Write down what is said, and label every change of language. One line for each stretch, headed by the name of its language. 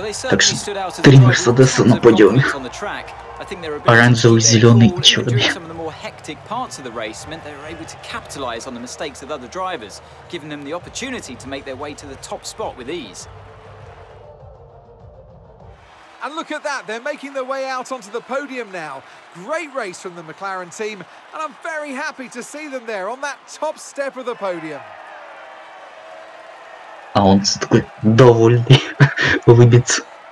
Russian: Так что три Мерседеса на подиуме. Оранжевый, зеленый и черный.
English: Hectic parts of the race meant they were able to capitalize on the mistakes of other drivers, giving them the opportunity to make their way to the top spot with ease. And look at that, they're making their way out onto the podium now. Great race from the McLaren team, and I'm very happy to see them there on that top step of the podium.
Russian: А он такой довольный, улыбится.